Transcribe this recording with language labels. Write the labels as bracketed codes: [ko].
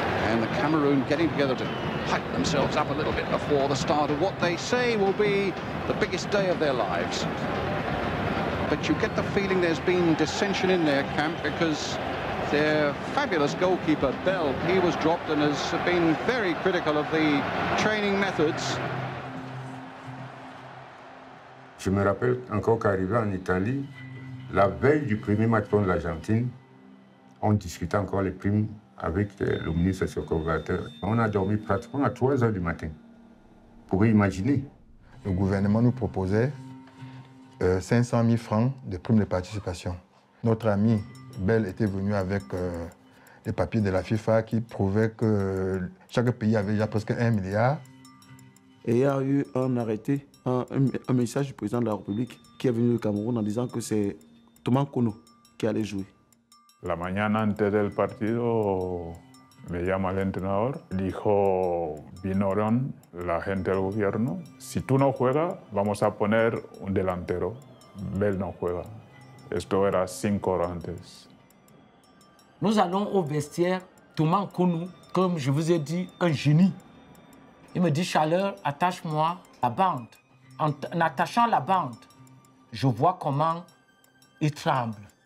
[en] And the Cameroon getting together to hype themselves up a little bit before the start of what they say will be the biggest day of their lives. But you get the feeling there's been dissension in their camp because their fabulous goalkeeper, Bell, he was dropped and has been very critical of the training methods. [fr] Je me rappelle encore qu'arrivé en Italie, la veille du premier match contre l'Argentine, on discutait encore les primes avec le ministre socio-coordinateur. On a dormi pratiquement à 3 heures du matin. Vous pouvez imaginer. Le gouvernement nous proposait 500 000 francs de primes de participation. Notre ami Bell était venu avec les papiers de la FIFA qui prouvaient que chaque pays avait déjà presque 1 milliard. Et il y a eu un arrêté. Un message du président de la République qui est venu du Cameroun en disant que c'est Thomas Kono qui allait jouer. [es] La mañana antes del partido me llama el entrenador, dijo Binoron, la gente del gobierno, si tú no juegas, vamos a poner un delantero. Bell no juega. Esto era 5 horas antes. [fr] Nous allons au vestiaire, Thomas Kono, comme je vous ai dit, un génie. Il me dit, Chaleur, attache-moi la bande. En attachant la bande, je vois comment il tremble.